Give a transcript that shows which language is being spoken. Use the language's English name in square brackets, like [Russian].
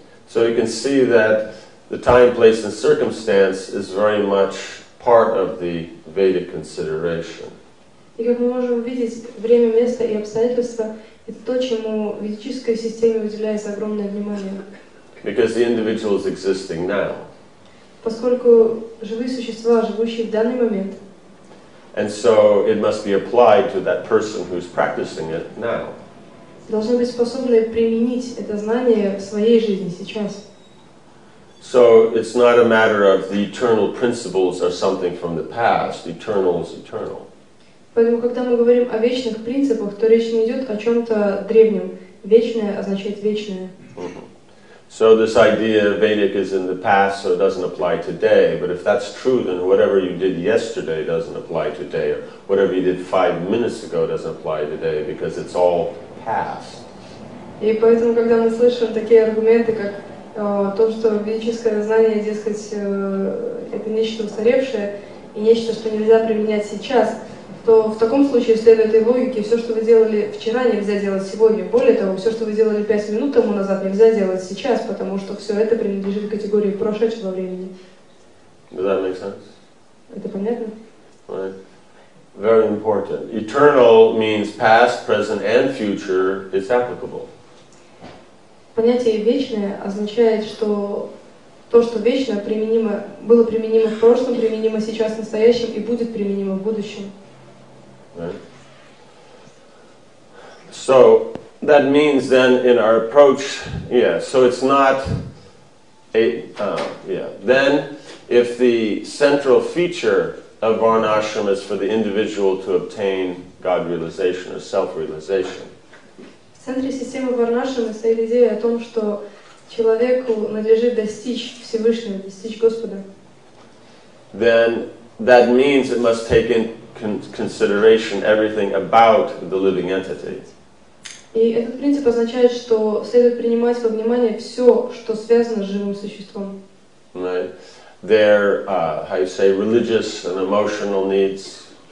[English] So you can see that the time, place, and circumstance is very much part of the Vedic consideration. [Russian] И как мы можем увидеть, время, место и обстоятельства — это то, чему ведической системе уделяется огромное внимание. [English] Because the individual is existing now. [Russian] Поскольку живые существа, живущие в данный момент. [English] And so it must be applied to that person who's practicing it now. [Russian] Должны быть способны применить это знание в своей жизни сейчас. [English] So it's not a matter of the eternal principles are something from the past. Eternal is eternal. [Russian] Поэтому, когда мы говорим о вечных принципах, то речь не идет о чем-то древнем. Вечное означает вечное. [English] So this idea of Vedic is in the past, so it doesn't apply today. But if that's true, then whatever you did yesterday doesn't apply today, or whatever you did 5 minutes ago doesn't apply today, because it's all past. [Russian] И поэтому, когда мы слышим такие аргументы, как то, что ведическое знание, дескать, это нечто устаревшее и нечто, что нельзя применять сейчас, то в таком случае, следуя этой логике, все, что вы делали вчера, нельзя делать сегодня. Более того, все, что вы делали 5 минут тому назад, нельзя делать сейчас, потому что все это принадлежит категории прошедшего времени. [English] Does that make sense? [Russian] Это понятно? [English] Right. Very important. Eternal means past, present and future is applicable. [Russian] Понятие «вечное» означает, что то, что вечно, применимо, было применимо в прошлом, применимо сейчас, в настоящем и будет применимо в будущем. [English] Right. So that means then in our approach, yeah, so it's not a then if the central feature of Varnashram is for the individual to obtain God realization or self realization. [Russian] В центре системы Варнашрама стоит идея о том, что человеку надлежит достичь Всевышнего, достичь Господа. [English] Then that means it must take in consideration everything about the living entity. [Russian] И этот принцип означает, что следует принимать во внимание все, что связано с живым существом. [English] Right. Their, how you say, religious and emotional needs.